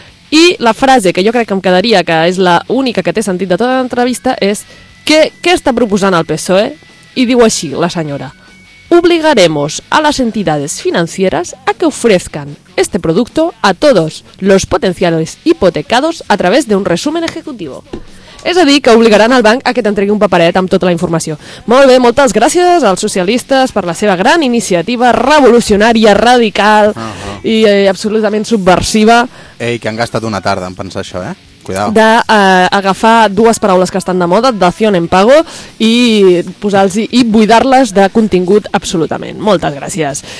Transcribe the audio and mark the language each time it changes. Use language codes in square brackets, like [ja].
[ca] I la frase que jo crec que em quedaria, que és l'única que té sentit de tota l'entrevista, és què està proposant el PSOE? I diu així la senyora: [es] obligaremos a las entidades financieras a que ofrezcan este producto a todos los potenciales hipotecados a través de un resumen ejecutivo. [ca] És a dir, que obligaran el banc a que t'entregui un paperet amb tota la informació. Molt bé, moltes gràcies als socialistes per la seva gran iniciativa revolucionària, radical i absolutament subversiva. Ei, que han gastat una tarda en pensar això, eh? [es] Cuidado. [ca] D'agafar dues paraules que estan de moda, dación en pago, i posar-los i buidar-les de contingut absolutament. Moltes gràcies.